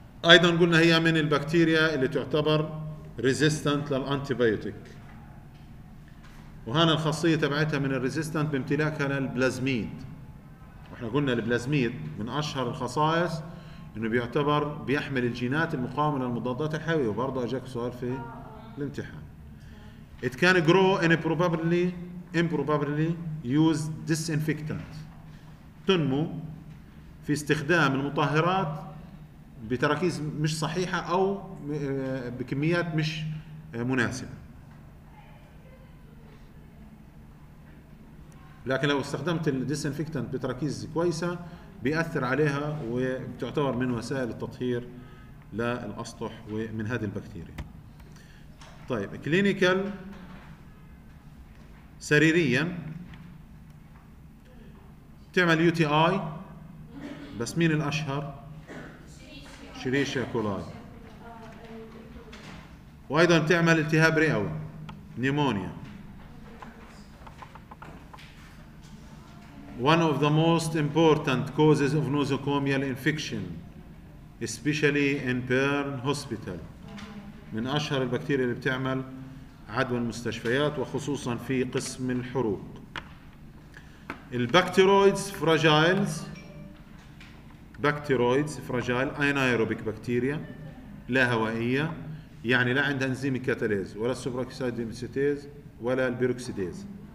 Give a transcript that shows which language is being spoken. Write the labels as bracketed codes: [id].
[ar] ايضا قلنا هي من البكتيريا اللي تعتبر ريزيستنت للانتيبيوتيك وهنا الخاصيه تبعتها من الريزيستنت بامتلاكها للبلازميد. واحنا قلنا البلازميد من اشهر الخصائص انه بيعتبر بيحمل الجينات المقاومه للمضادات الحيويه وبرضه اجاك سؤال في الامتحان. [en] It can grow in a improbably used disinfectant. [ar] تنمو في استخدام المطهرات بتركيز مش صحيحة أو بكميات مش مناسبة لكن لو استخدمت الديسنفكتنت بتركيز كويسة بيأثر عليها وتعتبر من وسائل التطهير للأسطح ومن هذه البكتيريا. طيب كلينيكال سريريا تعمل UTI بس مين الأشهر؟ شريشيا كولاي. وأيضا تعمل التهاب رئوي نيمونيا. [en] One of the most important causes of nosocomial infection, especially in burn hospital. [ar] من أشهر البكتيريا اللي بتعمل عدوى المستشفيات وخصوصا في قسم الحروق. البكتيرويدز فراجايلز بكتيرويدز فراجايل أينايروبيك بكتيريا لا هوائية، يعني لا عندها انزيم كاتاليز ولا السوبراكسيدينسيتيز ولا البيروكسيديز.